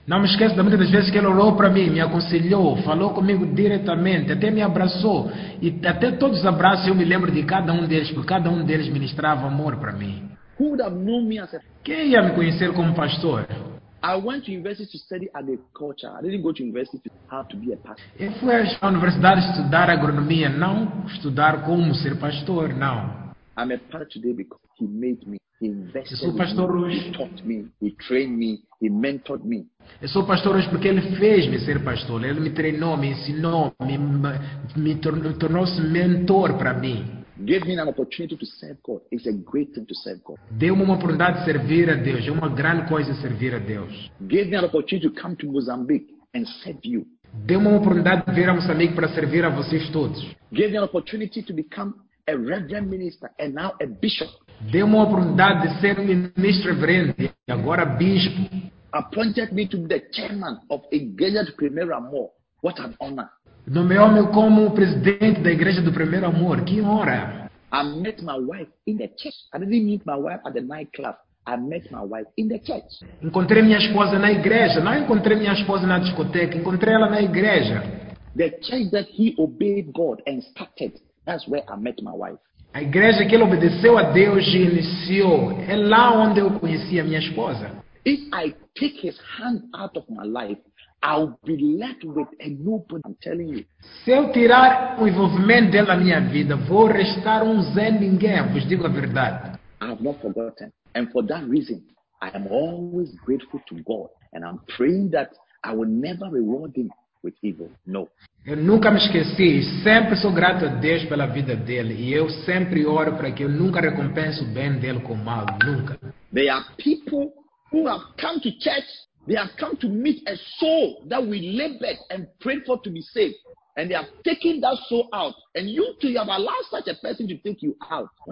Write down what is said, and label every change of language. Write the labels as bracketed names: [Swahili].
[Portuguese] Não me esqueço da muitas das vezes que ele orou para mim, me aconselhou, falou comigo diretamente, até me abraçou. E até todos os abraços eu me lembro de cada deles, porque cada deles ministrava amor para mim. [English] Who would have known me as a... [Portuguese] Quem ia me conhecer como pastor? [English] I went to university to study agriculture. I didn't go to university to how to be a pastor. [Portuguese] Eu fui à universidade estudar agronomia, não estudar como ser pastor, não. [English] I'm a pastor today because he made me. He invested. [Portuguese] Eu sou pastor [English] in me. [Portuguese] Hoje. [English] He taught me. He trained me. He mentored me. [Portuguese] Eu sou pastor hoje porque ele fez me ser pastor. Ele me treinou, me ensinou, me tornou-se mentor para mim. [English] Give me an opportunity to serve God. It's a great thing to serve God. [Portuguese] Deu-me uma oportunidade de servir a Deus. É uma grande coisa servir a Deus. [English] Give me an opportunity to come to Mozambique and serve you. [Portuguese] Deu-me uma oportunidade de vir a Moçambique para servir a vocês todos. [English] Give me an opportunity to become a reverend minister and now a bishop. [Portuguese] Deu-me uma oportunidade de ser ministro reverendo e agora bispo. [English] Appointed me to be the chairman of Igreja do Primeiro Amor. What an honor. [Portuguese] Nomeou-me como presidente da Igreja do Primeiro Amor. Que honra! [English] I met my wife in the church. I didn't meet my wife at the nightclub. I met my wife in the church. [Portuguese] Encontrei minha esposa na igreja. Não encontrei minha esposa na discoteca. Encontrei ela na igreja. [English] The church that he obeyed God and started. That's where I met my wife. [Portuguese] A igreja que ele obedeceu a Deus e iniciou. É lá onde eu conheci a minha esposa. [English] If I take his hand out of my life, I'll be left with a nobody, I'm telling you. [Portuguese] Se eu tirar o envolvimento dela na minha vida, vou restar zé ninguém, vos digo a verdade. [English] I have not forgotten. And for that reason, I am always grateful to God. And I'm praying that I will never reward him with evil. No. [Portuguese] Eu nunca me esqueci. Sempre sou grato a Deus pela vida dele. E eu sempre oro para que eu nunca recompense o bem dele com o mal. Nunca. [English] There are people who have come to church. They have come to meet a soul that we labored and prayed for to be saved. And they have taken that soul out. And you too, you have allowed such a person to take you out.